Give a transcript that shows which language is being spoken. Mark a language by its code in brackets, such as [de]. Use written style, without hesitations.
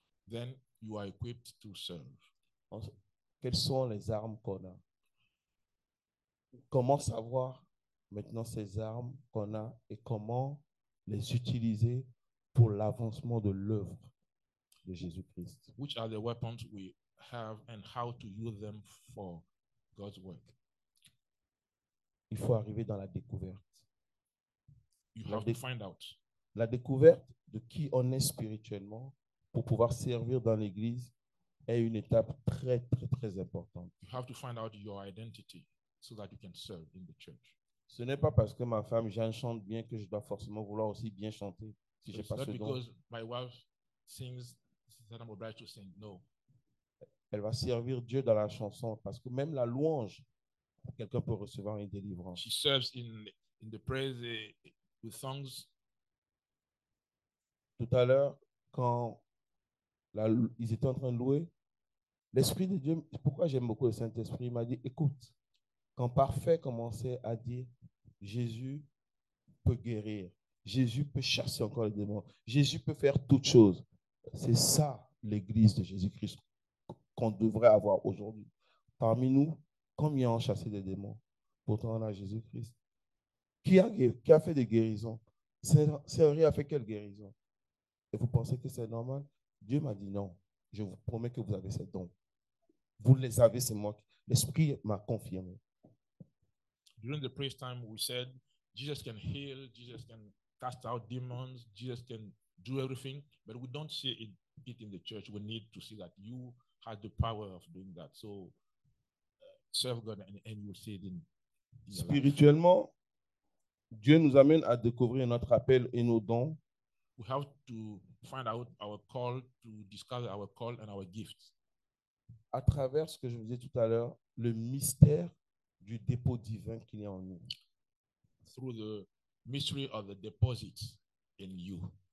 [en] Then you are equipped to serve. [fr] Quelles sont les armes qu'on a? Comment savoir maintenant ces armes qu'on a et comment les utiliser pour l'avancement de l'œuvre de Jésus-Christ? [en] Which are the weapons we have and how to use them for God's work? [fr] Il faut arriver dans la découverte. [en] You have to find out. [fr] La découverte de qui on est spirituellement pour pouvoir servir dans l'Église est une étape très, très, très importante. [en] You have to find out your identity so that you can serve in the church. [fr] Ce n'est pas parce que ma femme Jeanne chante bien que je dois forcément vouloir aussi bien chanter si je n'ai pas ce don. [en] It's not because my wife sings that I'm obliged to sing. No. [fr] Elle va servir Dieu dans la chanson parce que même la louange, quelqu'un peut recevoir une délivrance. [en] She serves in the praise with songs. [fr] Tout à l'heure, quand ils étaient en train de louer, l'Esprit de Dieu, pourquoi j'aime beaucoup le Saint-Esprit, il m'a dit, écoute, quand Parfait commençait à dire, Jésus peut guérir, Jésus peut chasser encore les démons, Jésus peut faire toutes choses. C'est ça l'Église de Jésus-Christ qu'on devrait avoir aujourd'hui. Parmi nous, combien ont chassé des démons? Pourtant, on a Jésus-Christ. Qui a fait des guérisons? Saint-Henri a fait quelle guérison? Et vous pensez que c'est normal? Dieu m'a dit non. Je vous promets que vous avez ces dons. Vous les avez, c'est moi. L'Esprit m'a confirmé. [en] During the praise time, we said Jesus can heal, Jesus can cast out demons, Jesus can do everything, but we don't see it in the church. We need to see that you have the power of doing that. So serve God and you see it in your life. [fr] Spirituellement, Dieu nous amène à découvrir notre appel et nos dons. [en] We have to find out our call, to discover our call and our gifts. [fr] À travers ce que je vous disais tout à l'heure, le mystère du dépôt divin qu'il y a en nous. [en] Through the mystery of the deposit in you.